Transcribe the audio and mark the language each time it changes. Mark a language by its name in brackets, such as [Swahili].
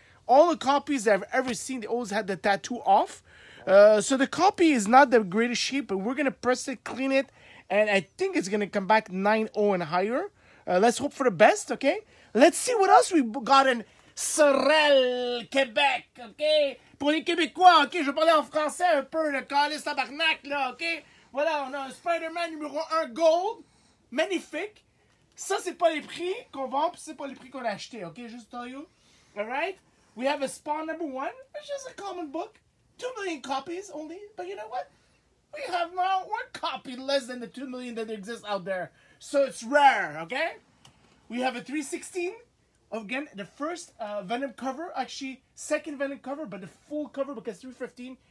[English] All the copies I've ever seen, they always had the tattoo off. So the copy is not the greatest shape, but we're going to press it, clean it, and I think it's going to come back 9-0 and higher. Let's hope for the best, okay? Let's see what else we got in Sorel, Quebec, okay? [French] Pour les Québécois, okay? Je vais parler en français un peu, le calice tabarnak, là, okay? Voilà, on a un Spider-Man numéro 1 gold, magnifique. Ça, c'est pas les prix qu'on vend, puis c'est pas les prix qu'on a acheté, okay? [English] Just tell you. All right? We have a Spawn number 1, which is a common book. 2 million copies only, but you know what? We have now 1 copy less than the 2 million that exists out there. So it's rare, okay? We have a 316. Again, the first Venom cover. Actually, second Venom cover, but the full cover because 315.